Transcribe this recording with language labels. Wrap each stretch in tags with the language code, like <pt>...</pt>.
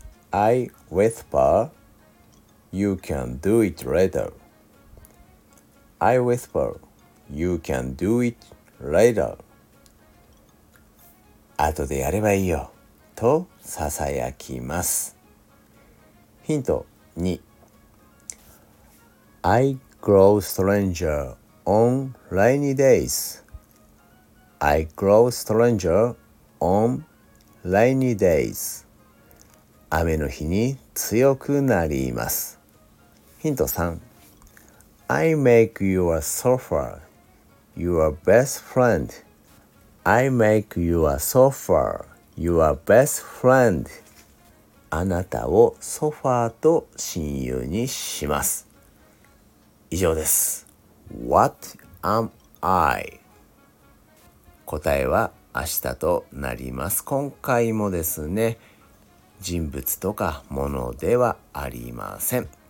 <en>I whisper, you can do it later. I whisper, you can do it later.</en> <ja>後でやればいいよとささやきます。ヒント2。</ja> <en>I grow stranger on rainy days. I grow stranger on rainy days.</en> <ja>雨の日に強くなります。ヒント3。</ja> <en>I make your sofa your best friend. I make your sofa your best friend.</en> <ja>あなたをソファーと親友にします。以上です。</ja> <en>What am I?</en> <ja>答えは明日となります。今回もですね、人物とかものではありません。</ja>